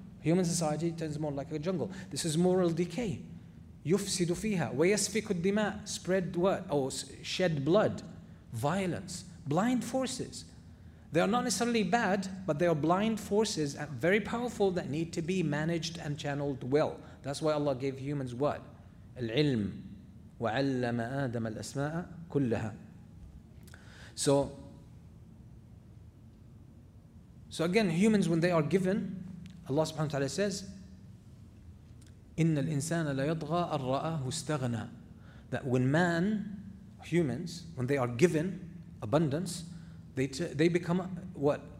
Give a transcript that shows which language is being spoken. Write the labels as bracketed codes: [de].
[en] Human society turns more like a jungle. This is moral decay. [ar] يُفْسِدُ فِيهَا وَيَسْفِكُ الدِّمَاءَ. [en] Spread what? Oh, shed blood, violence, blind forces. They are not necessarily bad, but they are blind forces, very powerful, that need to be managed and channeled well. That's why Allah gave humans what? [ar] العلم وعلم آدم الأسماء كلها. [en] So again, humans, when they are given, Allah subhanahu wa ta'ala says, [ar] إِنَّ الْإِنسَانَ لَيَضْغَى أَرَّأَهُ اسْتَغْنَى. [en] That when man, humans, when they are given abundance, they become what?